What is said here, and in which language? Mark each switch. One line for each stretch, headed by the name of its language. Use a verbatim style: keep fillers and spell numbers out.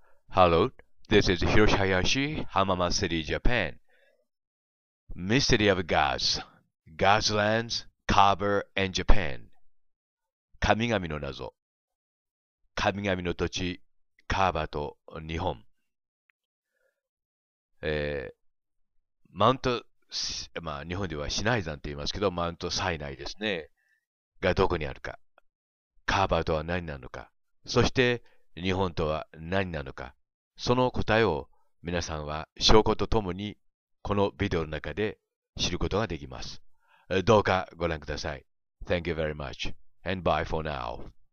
English: Hello, this is Hiroshi Hayashi, Hamama City, Japan. Mystery of Gods, Gods Lands, Kaaba, and Japan.
Japanese: 神々の謎、神々の土地、カーバと日本。えー、マウント、まあ日本ではシナイ山って言いますけど、マウントサイナイですね、がどこにあるか。カーバとは何なのか。そして日本とは何なのか。その答えを皆さんは証拠とともにこのビデオの中で知ることができます。どうかご覧ください。
English: Thank you very much and bye for now.